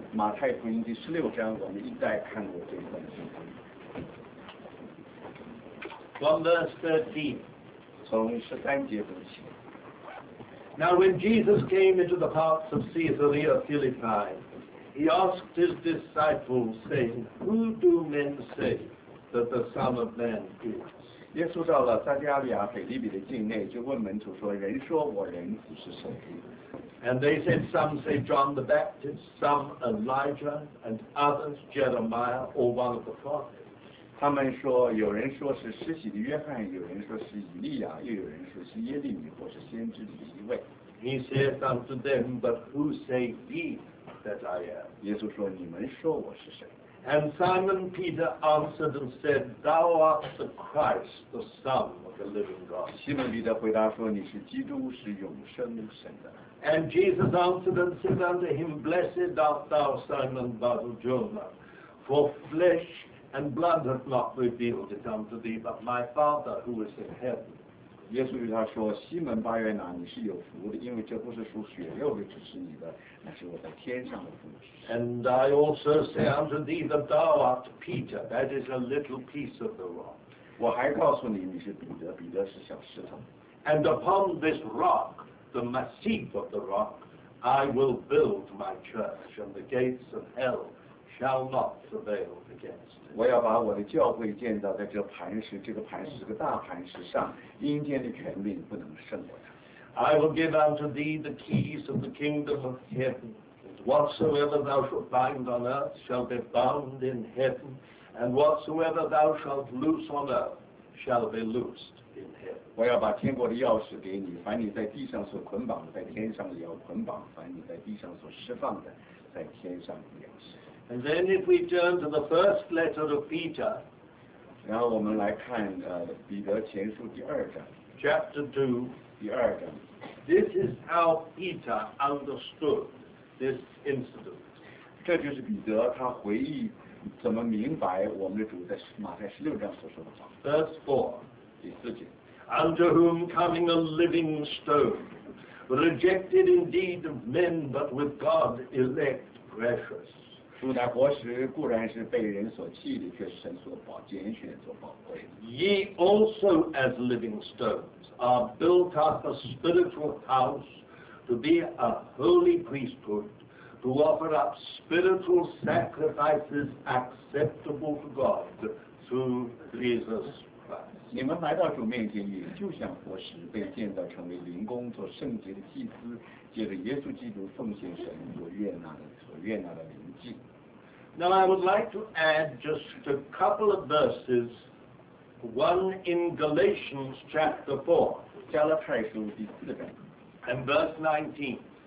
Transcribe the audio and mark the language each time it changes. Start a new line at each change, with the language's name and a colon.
Chinese: 马太福音第十六章，我们一带看过这一段经文。
English: From verse 13,
Chinese: 从十三节读起。
English: Now when Jesus came into the parts of Caesarea Philippi, he asked his disciples, saying, "Who do men say that the Son of Man is?"
Chinese: 耶稣到了撒迦利亚腓立比的境内，就问门徒说：“人说我人子是谁？”
English: And they said, "Some say John the Baptist, some Elijah, and others Jeremiah or one of the prophets."
Chinese: 他们说，有人说是施洗的约翰，有人说是以利亚，又有人说是耶利米或是先知的一位。
English: He said unto them, "But who say ye that I am?"
Chinese: 耶稣说，你们说我是谁
English: ？And Simon Peter answered and said, "Thou art the Christ, the Son of the Living God."
Chinese: 西门彼得回答说，你是基督，是永生神的。
English: And Jesus answered and said unto him, "Blessed art thou, Simon Bar-Jonah, for flesh." And blood hath not revealed it unto thee, but my Father who is in heaven.
Chinese: 耶稣对他说：“西门巴约拿，你是有福的，因为这不是属血肉的指示你的，乃是我在天上的父。”
English: And I also say unto thee that thou art Peter, that is a little piece of the rock.
Chinese: 我还告诉你，你是彼得，彼得是小石头。
English: And upon this rock, the massive of the rock, I will build my church, and the gates of hell. Shall not prevail against it.
Chinese: 我要把我的教会建造在这磐石，这个磐石是个大磐石上，阴间的权柄不能胜过它。
English: I will give unto thee the keys of the kingdom of heaven. Whatsoever thou shalt bind on earth shall be bound in heaven, and whatsoever thou shalt loose on earth shall be loosed in heaven.
Chinese: 我要把天国的钥匙给你，凡你在地上所捆绑的，在天上也要捆绑；凡你在地上所释放的，在天上也要释放。
English: And then if we turn to the first letter of Peter,
Chinese: 然后我们来看彼得前书第二章
English: chapter 2,
Chinese: 第二章
English: this is how Peter understood this incident.
Chinese: 这就是彼得他回忆怎么明白我们的主在马太十六章所说的话
English: verse 4,
Chinese: 第四节
English: unto whom coming a living stone, rejected indeed of men, but with God elect precious.
Chinese: 主乃活石，固然是被人所弃的，却是神所宝拣选、所宝贵。
English: Ye also as living stones are built up a spiritual house to be a holy priesthood, to offer up spiritual sacrifices acceptable to God through Jesus Christ.
Chinese: 你们来到主面前，也就像活石被建造成为灵宫，做圣洁的祭司，借着耶稣基督奉献神所悦纳的灵祭。
English: Now I would like to add just a couple of verses, one in Galatians chapter 4, and verse 19.